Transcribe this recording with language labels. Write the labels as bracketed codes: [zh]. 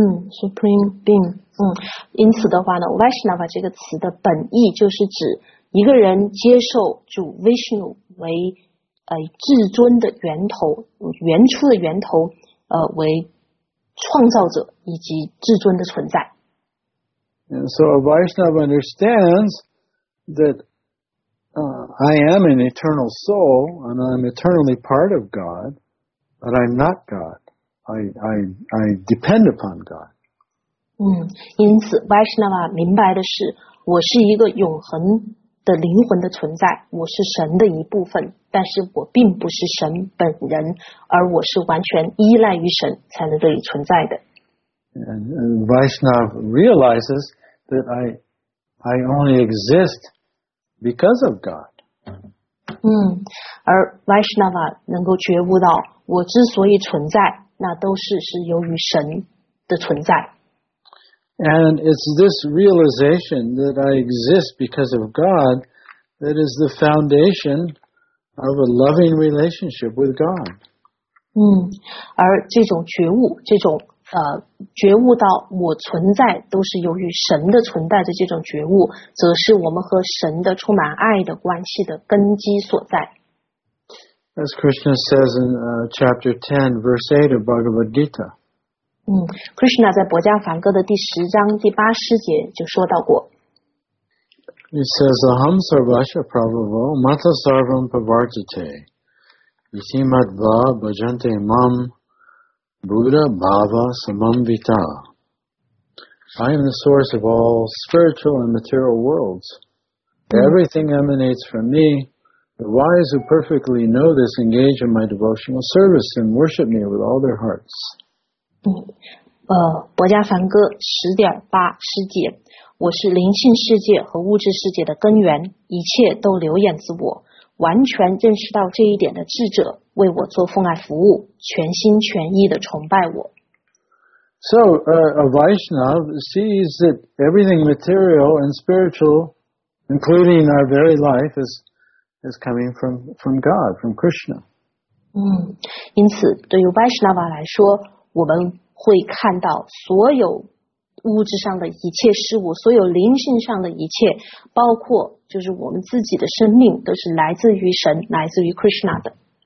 [en] Supreme being. [zh] 因此的话呢 ，Vaishnava 这个词的本意就是指一个人接受主 Vishnu 为至尊的源头、原初的源头，为创造者以及至尊的存在。 [en] And so a Vaishnava understands. That I am an eternal soul and I'm eternally part of God, but I'm not God. I depend upon God. [zh] 因此 Vaishnava 明白的是，我是一个永恒的灵魂的存在，我是神的一部分，但是我并不是神本人，而我是完全依赖于神才能得以存在的。 [en] And Vaishnav realizes that I only exist because of God. [zh] 而 Vaishnava 能够觉悟到我之所以存在那都是由于神的存在。 [en] And it's this realization that I exist because of God that is the foundation of a loving relationship with God. [zh] 而这种觉悟这种觉悟到我存在都是由于神的存在的这种觉悟则是我们和神的充满爱的关系的根基所在。 [en] As Krishna says in chapter 10, verse 8 of Bhagavad Gita. [zh] Krishna 在博迦梵歌的第十章第八诗节就说到过。 [en] He says, [sa] Aham sarvasya prabhavo mata sarvam pavarjate isimadva bhajante mam Buddha Bhava Samambita. [en] I am the source of all spiritual and material worlds. Everything emanates from me. The wise who perfectly know this engage in my devotional service and worship me with all their hearts. [zh] 博迦梵歌十点八诗节，我是灵性世界和物质世界的根源，一切都流演自我。完全认识到这一点的智者为我做奉爱服务，全心全意的崇拜我。 [en] So, a Vaishnav sees that everything material and spiritual, including our very life, is coming from God, from Krishna. [zh] 因此对于 Vaishnava 来说，我们会看到所有物质上的一切事物，所有灵性上的一切，包括就是我们自己的生命，都是来自于神，来自于 Krishna 的。